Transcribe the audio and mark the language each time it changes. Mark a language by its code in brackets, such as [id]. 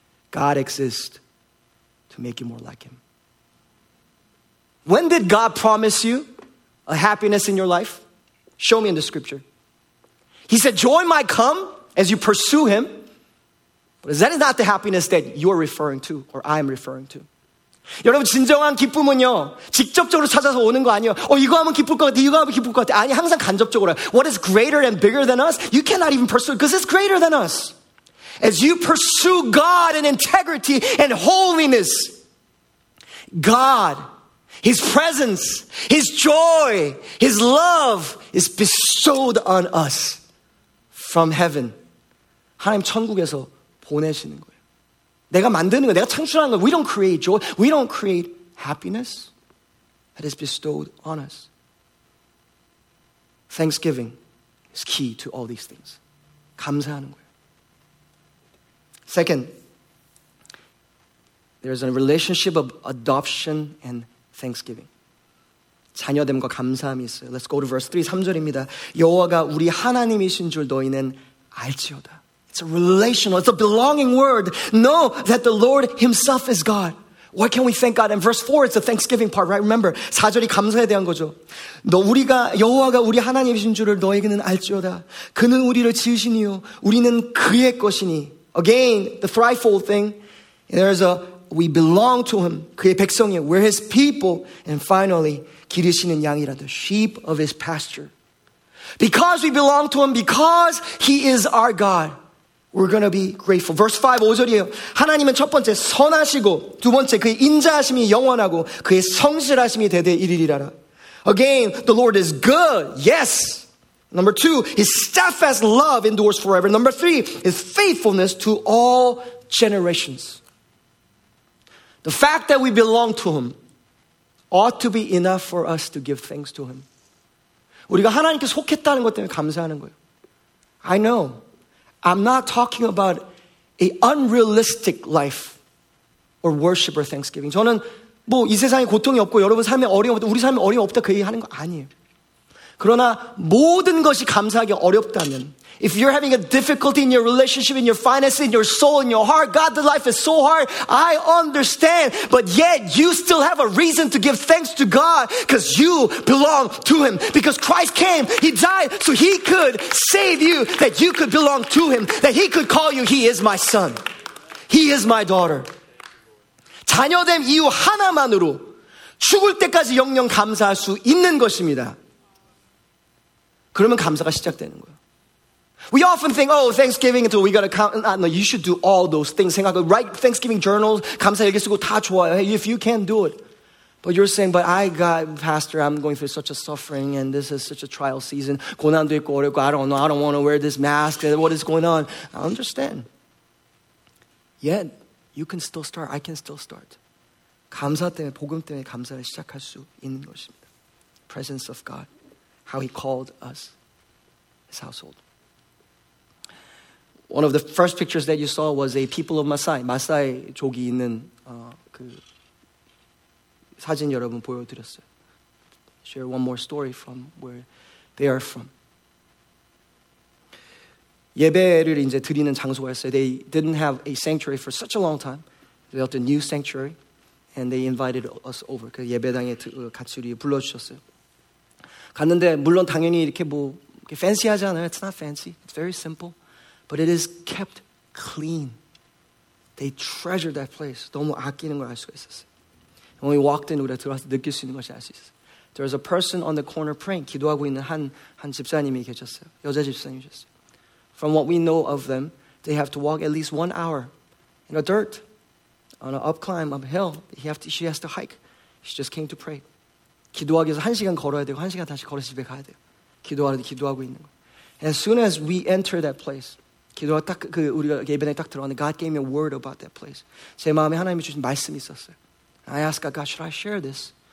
[en] God exists to make you more like him. When did God promise you a happiness in your life? Show me in the scripture. He said, joy might come as you pursue him. But that is not the happiness that you're referring to or I'm referring to. [ko] 여러분 진정한 기쁨은요 직접적으로 찾아서 오는 거 아니에요. 어 이거 하면 기쁠 것 같아. 이거 하면 기쁠 것 같아. 아니 항상 간접적으로. [en] What is greater and bigger than us? You cannot even pursue it because it's greater than us. As you pursue God in integrity and holiness, God, his presence, his joy, his love is bestowed on us from heaven. [ko] 하나님 천국에서 보내시는 거예요. 내가 만드는 거, 내가 창출하는 거. [en] We don't create joy. We don't create happiness that is bestowed on us. Thanksgiving is key to all these things. [ko] 감사하는 거예요. [en] Second, there is a relationship of adoption and thanksgiving. [ko] 자녀됨과 감사함이 있어요. [en] Let's go to verse 3, [ko] 3절입니다. 여호와가 우리 하나님이신 줄 너희는 알지어다. [en] It's a relational, it's a belonging word. Know that the Lord himself is God. Why can't we thank God? And verse 4, it's the thanksgiving part, right? Remember, [ko] 4절이 감사에 대한 거죠. 너 우리가 여호와가 우리 하나님이신 줄을 너에게는 알지어다. 그는 우리를 지으신 이요 우리는 그의 것이니. [en] Again, the threefold thing. There's a, we belong to him, [ko] 그의 백성이요. [en] We're his people. And finally, [ko] 기르시는 양이라, [en] the sheep of his pasture. Because we belong to him, because he is our God, we're going to be grateful. Verse 5, [ko] 5절이에요. 하나님은 첫 번째 선하시고 두 번째 그의 인자하심이 영원하고 그의 성실하심이 대대 이르리라. [en] Again, the Lord is good. Yes. Number 2, his steadfast love endures forever. Number 3, his faithfulness to all generations. The fact that we belong to him ought to be enough for us to give thanks to him. [ko] 우리가 하나님께 속했다는 것 때문에 감사하는 거예요. [en] I know. I'm not talking about an unrealistic life or worship or thanksgiving. [ko] 저는 뭐 이 세상에 고통이 없고 여러분 삶에 어려움 없다, 우리 삶에 어려움 없다 그 얘기하는 거 아니에요. 그러나 모든 것이 감사하기 어렵다면, [en] if you're having a difficulty in your relationship, in your finances, in your soul, in your heart, God, the life is so hard, I understand, but yet you still have a reason to give thanks to God because you belong to him. Because Christ came, he died so he could save you, that you could belong to him, that he could call you, he is my son. He is my daughter. [ko] 자녀됨 이유 하나만으로 죽을 때까지 영영 감사할 수 있는 것입니다. 그러면 감사가 시작되는 거예요. [en] We often think, oh, Thanksgiving until we got to count. Nah, no, you should do all those things. [ko] 생각하고, [en] write Thanksgiving journals. [ko] 감사 얘기 쓰고 다 좋아요. [en] Hey, if you can do it. But you're saying, but I got, pastor, I'm going through such a suffering and this is such a trial season. [ko] 고난도 있고 어렵고, [en] I don't know. I don't want to wear this mask. What is going on? I understand. Yet, you can still start. I can still start. [ko] 감사 때문에, 복음 때문에 감사를 시작할 수 있는 것입니다. [en] Presence of God. How he called us, his household. One of the first pictures that you saw was a people of Maasai. [ko] Maasai 족이 있는 그 사진 여러분 보여드렸어요. [en] Share one more story from where they are from. [ko] 예배를 이제 드리는 장소가 있어요. [en] They didn't have a sanctuary for such a long time. They built a new sanctuary, and they invited us over. [ko] 그 예배당에 같이 우리 불러주셨어요. 갔는데 물론 당연히 이렇게 뭐 이렇게 fancy하잖아요. [en] It's not fancy. It's very simple. But it is kept clean. They treasure that place. [ko] 너무 아끼는 걸 알 수가 있었어요. [en] When we walked in, [ko] 우리가 들어와서 느낄 수 있는 것이 알 수 있었어요. [en] There was a person on the corner praying. [ko] 기도하고 있는 한 집사님이 계셨어요. 여자 집사님이셨어요. [en] From what we know of them, they have to walk at least 1 hour in the dirt, on an upclimb, up a hill. She has to hike. She just came to pray. [ko] 기도하기 위해서 한 시간 걸어야 되고, 한 시간 다시 걸어서 집에 가야 돼요. 기도하고 있는 거예요. [en] As soon as we enter that place, [ko] 기도가 딱 그 우리가 예배당에 딱 들어왔는데 [en] God gave me a word about that place. [ko] 제 마음에 하나님이 주신 말씀이 있었어요. [en] I asked God, should I share this?